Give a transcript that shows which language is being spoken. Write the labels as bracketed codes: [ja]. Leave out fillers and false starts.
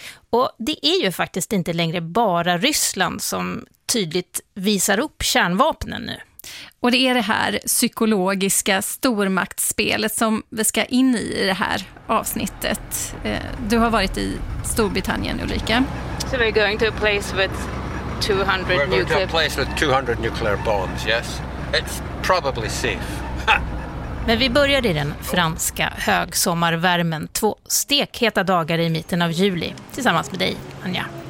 [sv] Och det är ju faktiskt inte längre bara Ryssland som tydligt visar upp kärnvapnen nu. Och det är det här psykologiska stormaktsspelet som vi ska in i det här avsnittet. Du har varit i Storbritannien, Ulrika. [en] So we're going to a place with 200 nuclear... We're going to a place with 200 nuclear bombs, yes. It's probably safe. [sv] Men vi börjar i den franska högsommarvärmen. Två stekheta dagar i mitten av juli. Tillsammans med dig, Anja.